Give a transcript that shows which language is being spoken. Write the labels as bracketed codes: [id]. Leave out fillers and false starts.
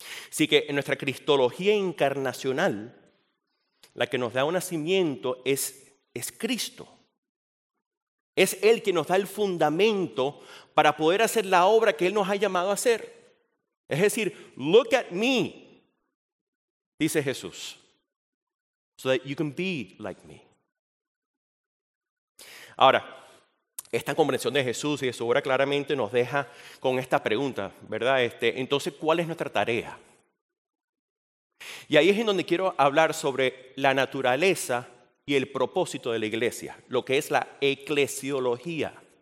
[es] Así que en nuestra cristología encarnacional, la que nos da un nacimiento es Cristo. Es Él quien nos da el fundamento para poder hacer la obra que Él nos ha llamado a hacer. Es decir, [en] look at me, [es] dice Jesús, [en] so that you can be like me. [es] Ahora, esta comprensión de Jesús y de su obra claramente nos deja con esta pregunta, ¿verdad? Entonces, ¿cuál es nuestra tarea? Y ahí es en donde quiero hablar sobre la naturaleza y el propósito de la iglesia, lo que es la eclesiología.